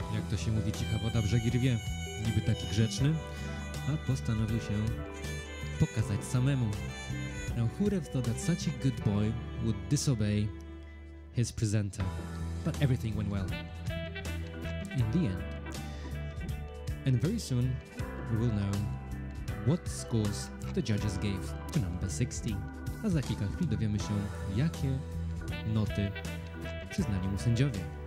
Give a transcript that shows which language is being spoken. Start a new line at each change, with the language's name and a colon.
Polish: To się mówi, cicha woda brzegi rwie. Niby taki grzeczny, a postanowił się pokazać samemu.
English: Now who would have thought that such a good boy would disobey his presenter? But everything went well. In the end. And very soon we will know what scores the judges gave to number 60.
Polish: A za kilka chwil dowiemy się, jakie noty przyznali mu sędziowie.